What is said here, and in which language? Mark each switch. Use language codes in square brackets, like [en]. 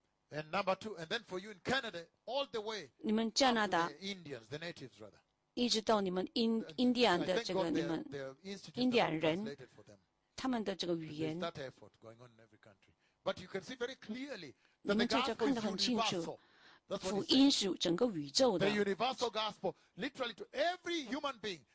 [en] And number two, and then for you in Canada, all the way. [zh] 你们加拿大 [en] Indians, the natives rather. [zh] 一直到你们印第安的这个你们印第安人，他们的这个语言。 [en] There's that effort going on in every country. But you can see very clearly that the gospel is universal. [zh] 福音是整个宇宙的。 [en] The universal gospel, literally to every human being.